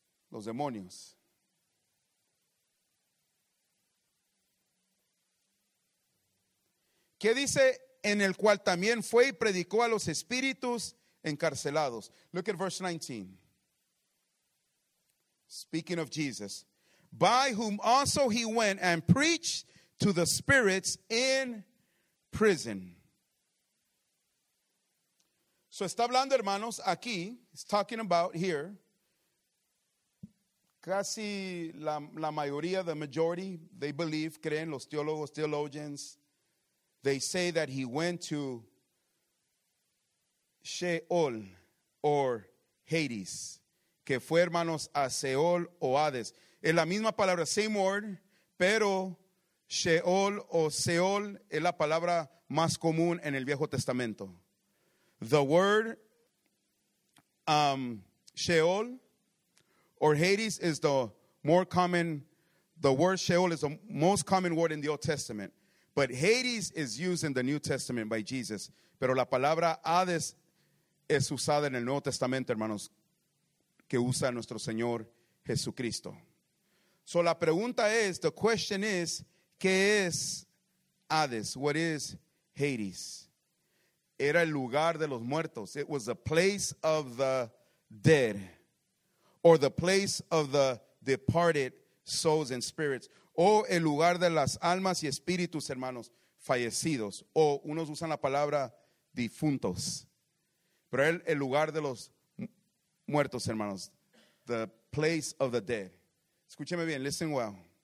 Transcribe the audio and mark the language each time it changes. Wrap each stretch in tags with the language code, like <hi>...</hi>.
<es>Los demonios. ¿Qué dice? En el cual también fue y predicó a los espíritus encarcelados.</es> <en>Look at verse 19. Speaking of Jesus. By whom also he went and preached to the spirits in prison.</en> <es>So está hablando, hermanos, aquí.</es> <en>He's talking about here.</en> <es>Casi la mayoría,</es> <en>the majority, they believe,</en> <es>creen, los teólogos,</es> <en>theologians. They say that he went to Sheol or Hades.</en> <es>Que fue, hermanos, a Seol o Hades. Es la misma palabra,</es> <en>same word,</en> <es>pero Sheol o Seol es la palabra más común en el Viejo Testamento.</es> <en>The word Sheol or Hades is the more common, the word Sheol is the most common word in the Old Testament. But Hades is used in the New Testament by Jesus.</en> <es>Pero la palabra Hades es usada en el Nuevo Testamento, hermanos, que usa nuestro Señor Jesucristo. So la pregunta es,</es> <en>the question is,</en> <es>¿qué es Hades?</es> <en>What is Hades?</en> <es>Era el lugar de los muertos.</es> <en>It was the place of the dead. Or the place of the departed souls and spirits.</en> <es>O el lugar de las almas y espíritus, hermanos, fallecidos. O unos usan la palabra difuntos. Pero el lugar de los muertos, hermanos.</es> <en>The place of the dead.</en> <es>Escúcheme bien,</es> <en>listen well.</en>